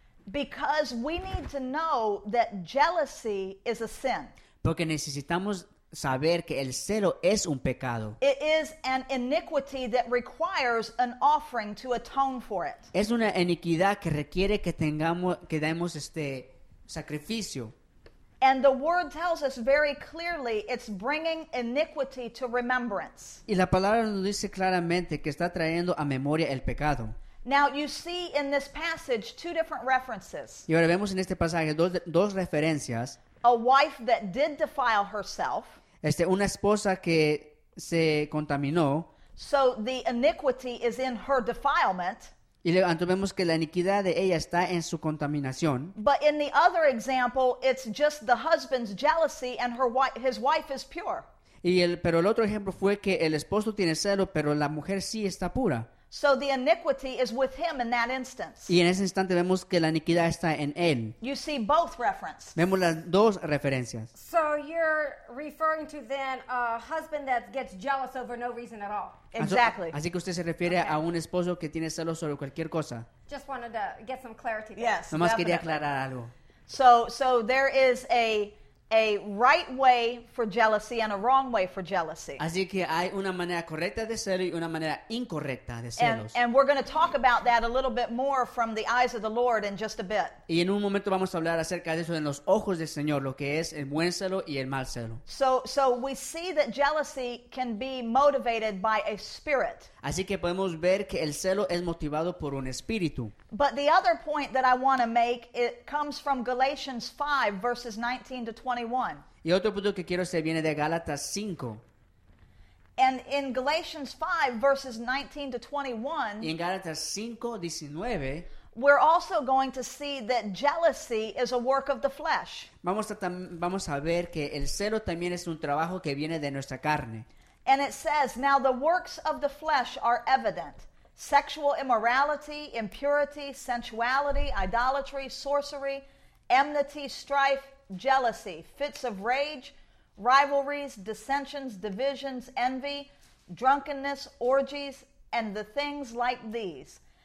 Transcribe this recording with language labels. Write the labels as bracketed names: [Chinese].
[English] Because we need to know that jealousy is a sin. [Spanish] Porque necesitamos saber que el celo es un pecado. [English] It is an iniquity that requires an offering to atone for it. [Spanish] Es una iniquidad que requiere que tengamos, que demos este sacrificio. [English] And the word tells us very clearly it's bringing iniquity to remembrance. [Spanish] Y la palabra nos dice claramente que está trayendo a memoria el pecado. [English] Now you see in this passage two different references. [Spanish] Y ahora vemos en este pasaje dos referencias. [English] A wife that did defile herself. [Spanish] Una esposa que se contaminó. [English] So the iniquity is in her defilement. [Spanish] Y entonces vemos que la iniquidad de ella está en su contaminación. [English] But in the other example, it's just the husband's jealousy and his wife is pure. [Spanish] Pero el otro ejemplo fue que el esposo tiene celo, pero la mujer sí está pura. [English] So the iniquity is with him in that instance. [Spanish] Y en ese instante vemos que la iniquidad está en él. [English] You see both reference. [Spanish] Vemos las dos referencias. [English] So you're referring to then a husband that gets jealous over no reason at all. Exactly. [Spanish] Así que usted se refiere a un esposo que tiene celos sobre cualquier cosa. [English] Just wanted to get some clarity there. Yes. [Spanish] Nomás quería aclarar algo. [English] So there is a right way for jealousy and a wrong way for jealousy. [Spanish] Así que hay una manera correcta de celo y una manera incorrecta de celos. [English] And we're going to talk about that a little bit more from the eyes of the Lord in just a bit. [Spanish] Y en un momento vamos a hablar acerca de eso en los ojos del Señor, lo que es el buen celo y el mal celo. [English] So we see that jealousy can be motivated by a spirit. [Spanish] Así que podemos ver que el celo es motivado por un espíritu. [English] But the other point that I want to make, it comes from Galatians 5, verses 19 to 21. [Spanish] Y otro punto que quiero hacer viene de Gálatas 5. [English] And in Galatians 5, verses 19 to 21, [Spanish] y en Gálatas 5, 19, [English] We're also going to see that jealousy is a work of the flesh. [Spanish] Vamos a ver que el celo también es un trabajo que viene de nuestra carne. [English] And it says, now the works of the flesh are evident. Sexual immorality, impurity, sensuality, idolatry, sorcery, enmity, strife, jealousy, fits of rage, rivalries, dissensions, divisions, envy, drunkenness, orgies, and the things like these.